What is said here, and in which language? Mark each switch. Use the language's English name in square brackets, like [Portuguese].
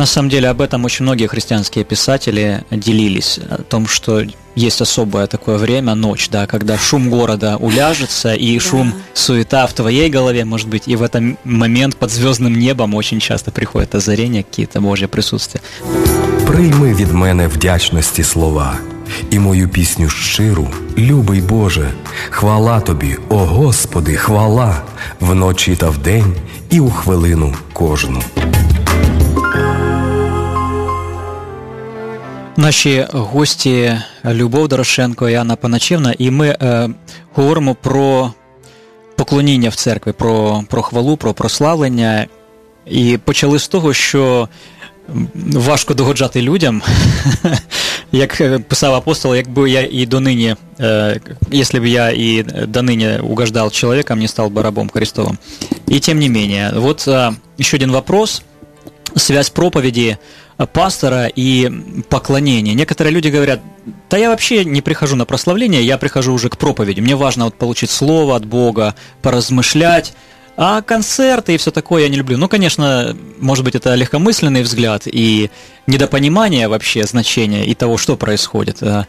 [Russian] На самом деле об этом очень многие христианские писатели делились, о том, что есть особое такое время, ночь, да, когда шум города уляжется, и шум, суета в твоей голове, может быть, и в этот момент под звездным небом очень часто приходит озарение, какие-то Божье присутствие. [Ukrainian] Прийми від мене вдячності слова і мою пісню щиру, любий Боже, хвала тобі, о Господи, хвала вночі та вдень і у хвилину кожну. Наші гості Любов Дорошенко і Анна Паначівна, і ми говоримо про поклоніння в церкві, про хвалу, про прославлення. І почали з того, що важко догоджати людям, як писав апостол, якби я і донині, якщо б я і донині угождав чоловіка, не став би рабом Христовим. [Russian] І тим не менее, от ще один вопрос, связь [Ukrainian] проповіді [Russian] пастора и поклонение. Некоторые люди говорят, да я вообще не прихожу на прославление, я прихожу уже к проповеди. Мне важно вот получить слово от Бога, поразмышлять. А концерты и все такое я не люблю. Ну, конечно, может быть, это легкомысленный взгляд и недопонимание вообще значения и того, что происходит.